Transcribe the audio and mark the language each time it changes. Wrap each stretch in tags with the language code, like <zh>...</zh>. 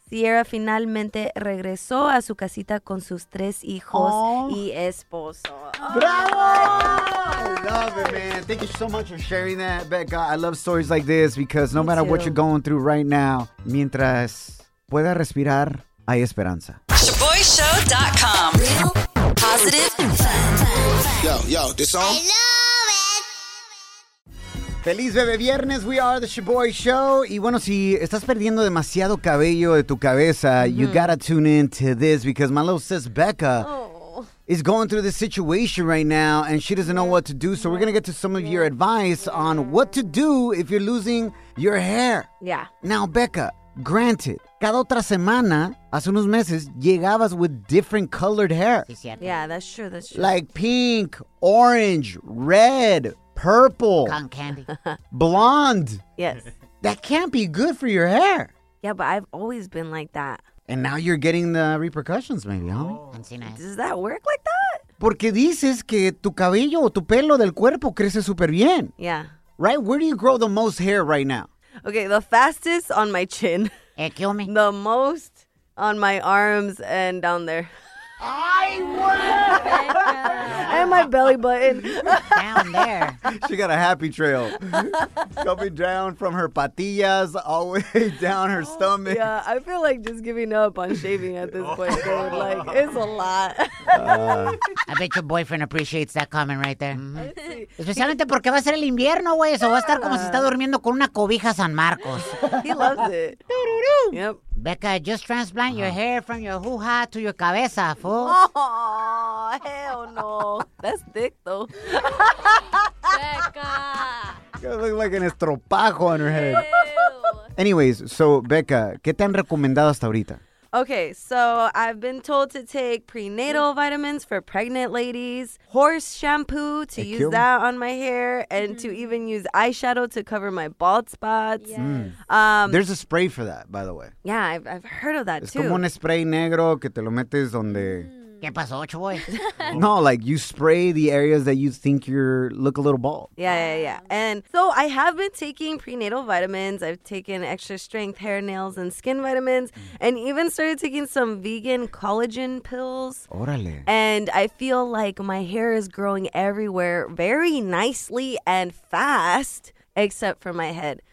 <es>Sierra finalmente regresó a su casita con sus tres hijos y esposo.</es> <en>¡Bravo! I love it, man. Thank you so much for sharing that, Becca. I love stories like this because no matter what you're going through right now,</en> <es>mientras pueda respirar, hay esperanza.</es> <en>ShaboyShow.com. Positive and fun. Yo, this song? I love</en> <es>Feliz Bebé Viernes,</es> <en>we are the Shaboy Show.</en> <es>Y bueno, si estás perdiendo demasiado cabello de tu cabeza,</es> <en>you gotta tune in to this because my little sis Becca is going through this situation right now and she doesn't know what to do. So we're gonna get to some of your advice on what to do if you're losing your hair. Yeah.</en> <es>Now, Becca, granted, cada otra semana, hace unos meses, llegabas</es> <en>with different colored hair. Yeah, that's true. Like pink, orange, red, purple. Cotton candy. Blonde. Yes. That can't be good for your hair. Yeah, but I've always been like that. And now you're getting the repercussions, maybe, huh? Does that work like that?</en> <es>Porque dices que tu cabello o tu pelo del cuerpo crece súper bien.</es> <en>Yeah. Right? Where do you grow the most hair right now? Okay, the fastest on my chin. It killed me. The most on my arms and down there. I would. And my belly button. Down there. She got a happy trail. Coming down from her patillas all the way down her stomach. Yeah, I feel like just giving up on shaving at this point, dude. Like, it's a lot. I bet your boyfriend appreciates that comment right there.</en> <es>Especialmente porque va a ser el invierno, güey. Eso va a estar como si está durmiendo con una cobija San Marcos.</es> <en>He loves it. Yep. Becca, just transplant your hair from your hoo-ha to your cabeza, fool. Oh, hell no. That's thick, though. Becca. You look like an estropajo on her head. Ew. Anyways, so,</en> <es>Becca, ¿qué te han recomendado hasta ahorita?</es> <en>Okay, so I've been told to take prenatal vitamins for pregnant ladies, horse shampoo to use that on my hair, and to even use eyeshadow to cover my bald spots. Yes. Mm. There's a spray for that, by the way. Yeah, I've heard of that,</en> <es>es</es> <en>too.</en> <es>Es como un spray negro que te lo metes donde... ¿Qué pasó, Chuy?</es> <en>No, like you spray the areas that you think you're look a little bald. Yeah. And so I have been taking prenatal vitamins. I've taken extra strength hair, nails, and skin vitamins, and even started taking some vegan collagen pills.</en> <es>Órale.</es> <en>And I feel like my hair is growing everywhere very nicely and fast, except for my head.</en>